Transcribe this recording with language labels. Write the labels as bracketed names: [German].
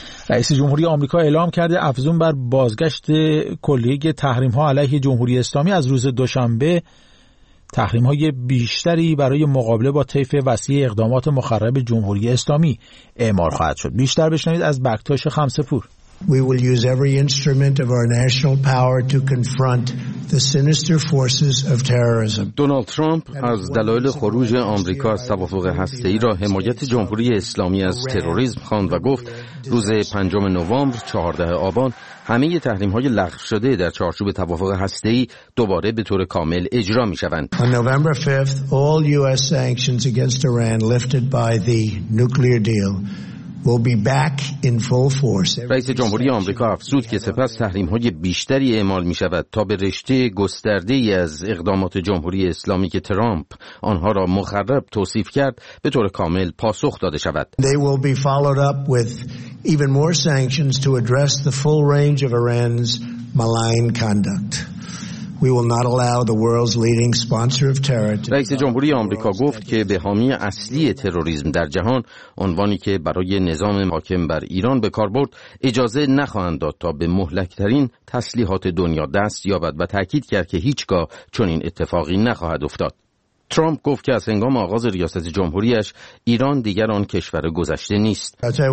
[Persian] رئیس جمهوری آمریکا اعلام کرده افزون بر بازگشت کلیه تحریم‌ها علیه جمهوری اسلامی، از روز دوشنبه تحریم‌های بیشتری برای مقابله با طیف وسیع اقدامات مخرب جمهوری اسلامی اعمال خواهد شد. بیشتر بشنوید از بکتاش خمسه‌پور. [English] We will use every instrument of our national power to confront the sinister forces of terrorism. [Persian] دونالد ترامپ از دلایل خروج آمریکا از توافق هسته‌ای را حمایت جمهوری اسلامی از تروریسم خواند و گفت روز 5 نوامبر، 14 آبان همه تحریم‌های لغو شده در چارچوب توافق هسته‌ای دوباره به طور کامل اجرا می‌شوند. [English] On November 5th, all US sanctions against Iran lifted by the nuclear deal. We'll be back in full force. [Persian] رئیس جمهوری آمریکا افزود که سپس تحریم‌های بیشتری اعمال می‌شود تا به رشته گسترده‌ای از اقدامات جمهوری اسلامی که ترامپ آنها را مخرب توصیف کرد به طور کامل پاسخ داده شود. [English] They will be followed up with even more sanctions to address the full range of Iran's malign conduct. We will not allow the world's leading sponsor of terror. [Persian] رئیس جمهوری آمریکا گفت که به حامی اصلی تروریسم در جهان، عنوانی که برای نظام حاکم بر ایران به کار برد، اجازه نخواهند داد تا به مهلک‌ترین تسلیحات دنیا دست یابد و تاکید کرد که هیچگاه چنین اتفاقی نخواهد افتاد. ترامپ گفت که از هنگام آغاز ریاست جمهوریش ایران دیگر آن کشور گذشته نیست.